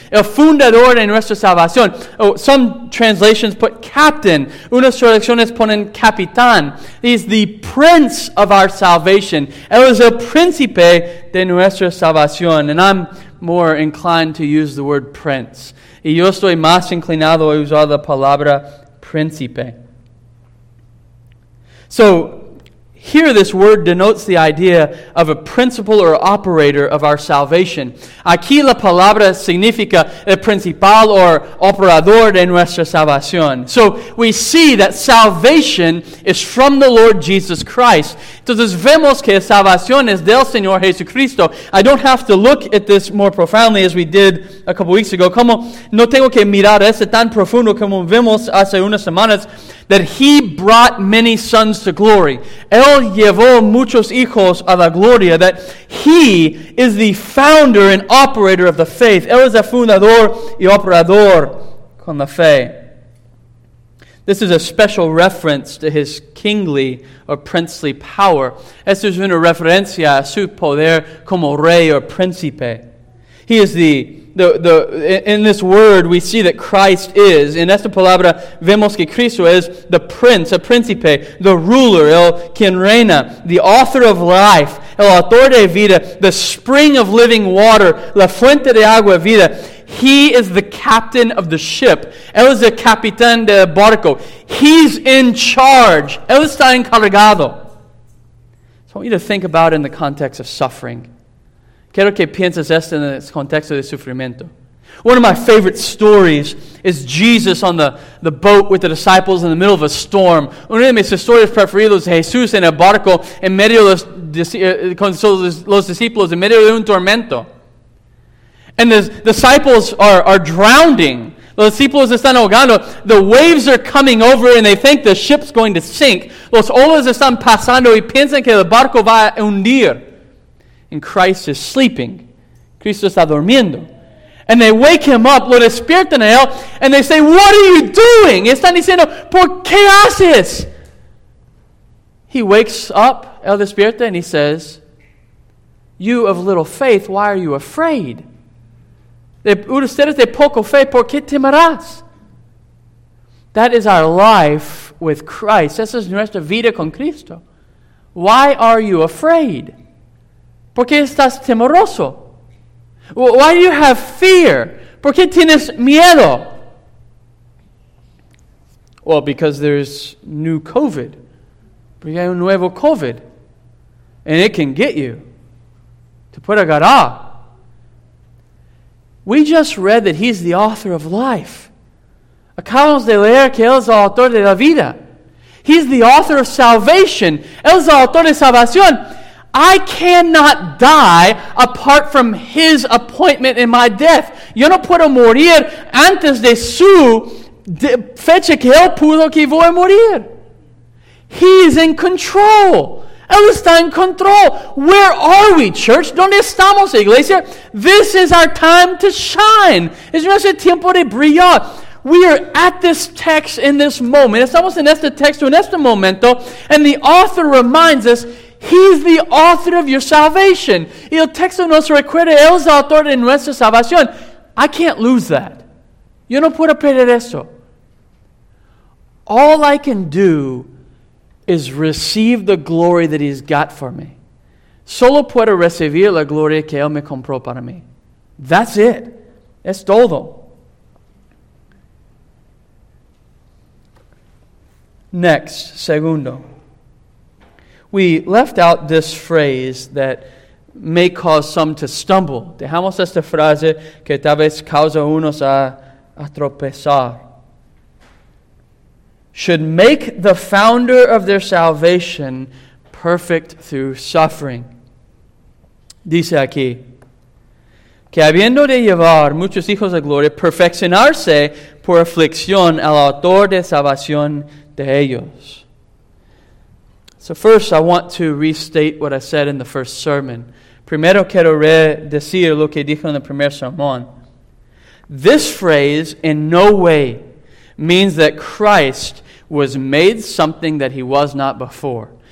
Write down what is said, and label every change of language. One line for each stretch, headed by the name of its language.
Spanish: El fundador de nuestra salvación.
English: Oh, some translations put captain.
Spanish: Unas traducciones ponen capitán.
English: He's the prince of our salvation.
Spanish: Él es el príncipe de nuestra salvación.
English: And I'm more inclined to use the word prince.
Spanish: Y yo estoy más inclinado a usar la palabra príncipe.
English: So, here this word denotes the idea of a principal or operator of our salvation.
Spanish: Aquí la palabra significa el principal or operador de nuestra salvación.
English: So, we see that salvation is from the Lord Jesus Christ.
Spanish: Entonces, vemos que salvación es del Señor Jesucristo.
English: I don't have to look at this more profoundly as we did a couple weeks ago.
Spanish: Como no tengo que mirar ese tan profundo como vimos hace unas semanas,
English: that he brought many sons to glory.
Spanish: Él llevó muchos hijos a la gloria.
English: That he is the founder and operator of the faith.
Spanish: Él es el fundador y operador con la fe.
English: This is a special reference to his kingly or princely power.
Spanish: Esto es una referencia a su poder como rey or príncipe.
English: He is the in this word we see that Christ is, in
Spanish: esta palabra vemos que Cristo es
English: the prince,
Spanish: a príncipe,
English: the ruler,
Spanish: el quien reina,
English: the author of life,
Spanish: el autor de vida,
English: the spring of living water,
Spanish: la fuente de agua vida.
English: He is the captain of the ship.
Spanish: Él es el capitán del barco.
English: He's in charge.
Spanish: Él está encargado.
English: So I want you to think about it in the context of suffering.
Spanish: Quiero que pienses esto en el contexto de sufrimiento.
English: One of my favorite stories is Jesus on the boat with the disciples in the middle of a storm.
Spanish: Una de mis historias preferidas es Jesús en el barco en medio de los discípulos en medio de un tormento.
English: And the disciples are drowning.
Spanish: Los discípulos están ahogando.
English: The waves are coming over and they think the ship's going to sink.
Spanish: Los olas están pasando y piensan que el barco va a hundir.
English: And Christ is sleeping.
Spanish: Cristo está durmiendo.
English: And they wake him up,
Spanish: lo despiertan a él,
English: and they say, "What are you doing?"
Spanish: Están diciendo, "¿Por qué haces?"
English: He wakes up,
Spanish: él despierta,
English: and he says, "You of little faith, why are you afraid?
Spanish: Ustedes de poco fe, ¿por qué temerás?"
English: That is our life with Christ.
Spanish: Esa es nuestra vida con Cristo.
English: Why are you afraid?
Spanish: ¿Por qué estás temeroso?
English: Why do you have fear?
Spanish: ¿Por qué tienes miedo?
English: Well, because there's new COVID.
Spanish: Porque hay un nuevo COVID.
English: And it can get you.
Spanish: Te puede agarrar.
English: We just read that he's the author of life.
Spanish: Acabamos de leer que él es el autor de la vida.
English: He's the author of salvation.
Spanish: Él es el autor de salvación.
English: I cannot die apart from his appointment in my death.
Spanish: Yo no puedo morir antes de su fecha que él puso que voy a morir.
English: He's in control.
Spanish: Él está en control.
English: Where are we, church?
Spanish: ¿Dónde estamos, iglesia?
English: This is our time to shine.
Spanish: Es nuestro tiempo de brillar.
English: We are at this text in this moment.
Spanish: Estamos en este texto, en este momento.
English: And the author reminds us, he's the author of your salvation.
Spanish: Y el texto nos recuerda, él es el autor de nuestra salvación.
English: I can't lose that.
Spanish: Yo no puedo perder eso.
English: All I can do is receive the glory that he's got for me.
Spanish: Solo puedo recibir la gloria que él me compró para mí.
English: That's it.
Spanish: Es todo.
English: Next, segundo. We left out this phrase that may cause some to stumble.
Spanish: Dejamos esta frase que tal vez causa unos a tropezar.
English: Should make the founder of their salvation perfect through suffering.
Spanish: Dice aquí, que habiendo de llevar muchos hijos a gloria, perfeccionarse por aflicción al autor de salvación de ellos.
English: So first I want to restate what I said in the first sermon.
Spanish: Primero quiero redecir lo que dije en el primer sermón.
English: This phrase in no way means that Christ was made something that he was not before.